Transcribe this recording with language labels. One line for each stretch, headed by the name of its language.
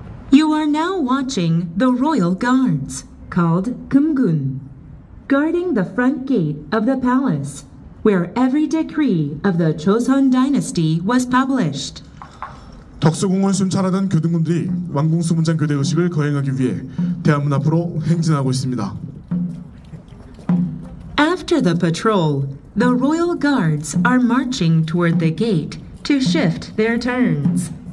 English: You are now watching the royal guards called 금군 guarding the front gate of the palace where every decree of the Joseon dynasty was published.
Korean: 덕수궁을 순찰하던 교등군들이 왕궁 수문장 교대 의식을 거행하기 위해 대한문 앞으로 행진하고 있습니다.
English: After the patrol, the royal guards are marching toward the gate to shift their turns.